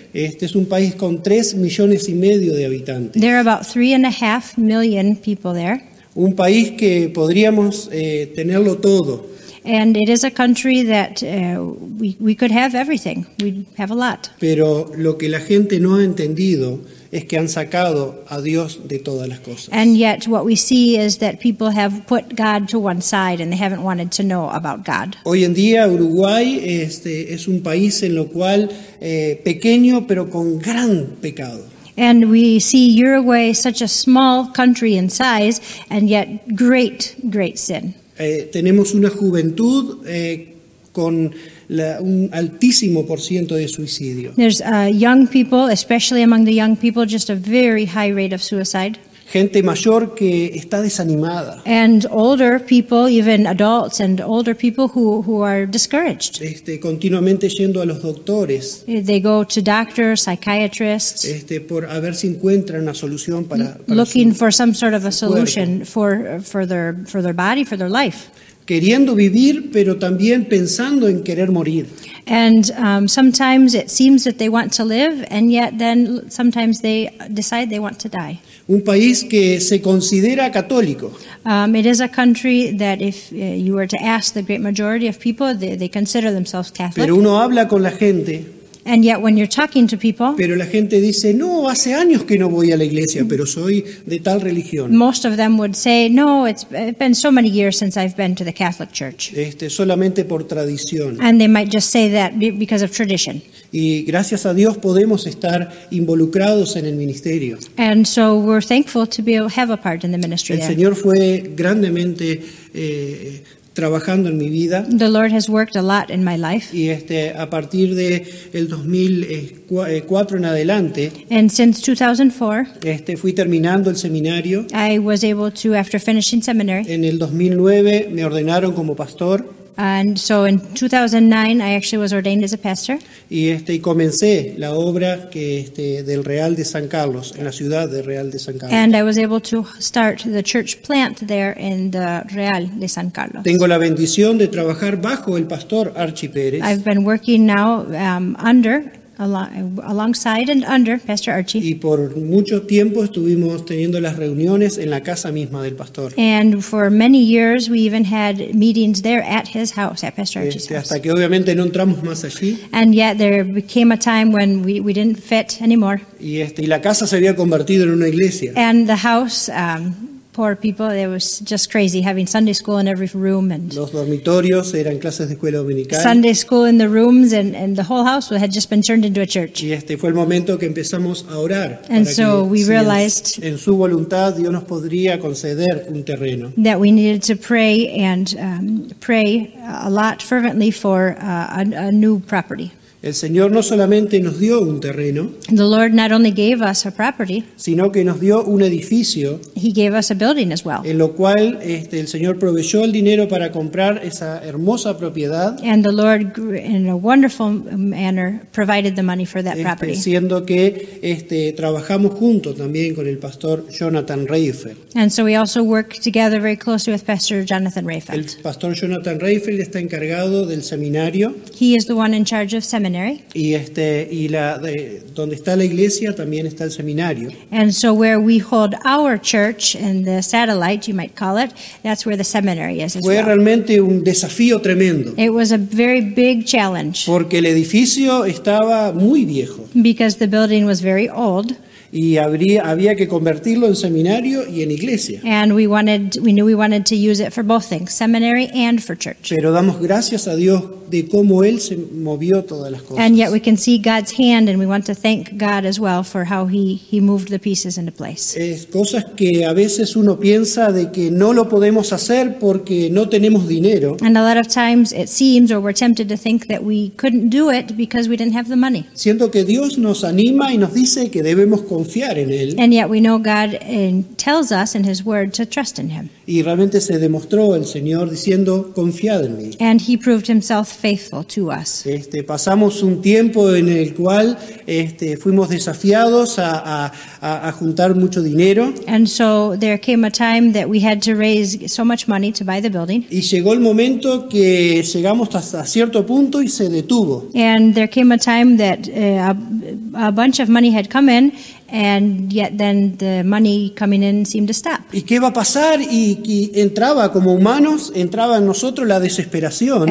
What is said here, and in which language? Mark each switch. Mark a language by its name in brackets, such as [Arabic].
[Spanish] Es un país con 3.5 millones de habitantes. [English] There are about 3.5 million people there. [Spanish] Un país que podríamos tenerlo todo. [English] And it is a country that we could have everything. We have a lot. [Spanish] Pero lo que la gente no ha entendido es que han sacado a Dios de todas las cosas. [English] And yet what we see is that people have put God to one side and they haven't wanted to know about God. [Spanish] Hoy en día Uruguay es un país en lo cual pequeño pero con gran pecado. [English] And we see Uruguay such a small country in size and yet great, great sin. [Spanish] Tenemos una juventud con un altísimo por ciento de suicidio. [English] There's young people, especially among the young people, just a very high rate of suicide. [Spanish] Gente mayor que está desanimada. [English] And older people, even adults and older people who are discouraged. [Spanish] Continuamente yendo a los doctores. [English] They go to doctors, psychiatrists. [Spanish] Por a ver si encuentran una solución para [English] looking for some sort of a solution for their body, for their life. [Spanish] Queriendo vivir, pero también pensando en querer morir. [English] And sometimes it seems that they want to live, and yet then sometimes they decide they want to die. [Spanish] Un país que se considera católico. [English] It is a country that if you were to ask the great majority of people, they consider themselves Catholic. [Spanish] Pero uno habla con la gente. [English] And yet when you're talking to people, [Spanish] pero la gente dice, no, hace años que no voy a la iglesia, pero soy de tal religión. [English] Most of them would say, no, it's been so many years since I've been to the Catholic Church. [Spanish] Solamente por tradición. [English] And they might just say that because of tradition. [Spanish] Y gracias a Dios podemos estar involucrados en el ministerio. [English] And so we're thankful to be able to have a part in the ministry. [Spanish] El Señor fue grandemente trabajando en mi vida. [English] The Lord has worked a lot in my life. [Spanish] Y a partir de el 2004 en adelante. [English] And since 2004. [Spanish] Fui terminando el seminario. [English] I was able to, after finishing seminary. [Spanish] En el 2009 me ordenaron como pastor. [English] And so in 2009 I actually was ordained as a pastor. [Spanish] Y comencé la obra que del Real de San Carlos, en la ciudad de Real de San Carlos. [English] And I was able to start the church plant there in the Real de San Carlos. [Spanish] Tengo la bendición de trabajar bajo el pastor Archie Pérez. [English] I've been working now alongside and under Pastor Archie. [Spanish] Y por mucho tiempo estuvimos teniendo las reuniones en la casa misma del pastor. [English] And for many years we even had meetings there at his house, at Pastor Archie's house. [Spanish] Hasta que obviamente no entramos más allí. [English] And yet there became a time when we didn't fit anymore. [Spanish] Y la casa se había convertido en una iglesia. [English] And the house, poor people, it was just crazy having Sunday school in every room. And [Spanish] los dormitorios eran clases de escuela dominical. [English] Sunday school in the rooms and the whole house had just been turned into a church. [Spanish] Y fue el momento que empezamos a orar. [English] And so we realized [Spanish] en su voluntad Dios nos podría conceder un terreno. [English] That we needed to pray and pray a lot fervently for a new property. [Spanish] El Señor no solamente nos dio un terreno, [English] the Lord not only gave us a property, [Spanish] sino que nos dio un edificio, [English] he gave us a building as well. [Spanish] En lo cual el Señor proveyó el dinero para comprar esa hermosa propiedad, [English] and the Lord in a wonderful manner provided the money for that property. [Spanish] Siendo que trabajamos junto también con el pastor Jonathan Reifel. [English] And so we also work together very closely with Pastor Jonathan Reifel. [Spanish] El pastor Jonathan Reifel está encargado del seminario. [English] He is the one in charge of [Spanish] y y la donde está la iglesia también está el seminario. [English] And so where we hold our church in the satellite, you might call it, that's where the seminary is. [Spanish] Fue [English] well. [Spanish] Realmente un desafío tremendo. [English] It was a very big challenge. [Spanish] Porque el edificio estaba muy viejo. [English] Because the building was very old. [Spanish] Y había que convertirlo en seminario y en iglesia. [English] And we knew we wanted to use it for both things, seminary and for church. [Spanish] Pero damos gracias a Dios de cómo él se movió todas las cosas. [English] And yet we can see God's hand, and we want to thank God as well for how he moved the pieces into place. [Spanish] Es cosas que a veces uno piensa de que no lo podemos hacer porque no tenemos dinero. [English] And a lot of times it seems, or we're tempted to think that we couldn't do it because we didn't have the money. [Spanish] Siento que Dios nos anima y nos dice que debemos confiar en él. [English] And yet we know God tells us in his word to trust in him. [Spanish] Y realmente se demostró el Señor diciendo, confiad en mí. [English] And he proved himself faithful to us. [Spanish] Pasamos un tiempo en el cual fuimos desafiados a juntar mucho dinero. [English] And so there came a time that we had to raise so much money to buy the building. [Spanish] Y llegó el momento que llegamos hasta cierto punto y se detuvo. [English] And there came a time that a bunch of money had come in, and yet then the money coming in seemed to stop. [Spanish] ¿Y qué va a pasar? Y entraba como humanos, entraba en nosotros la desesperación.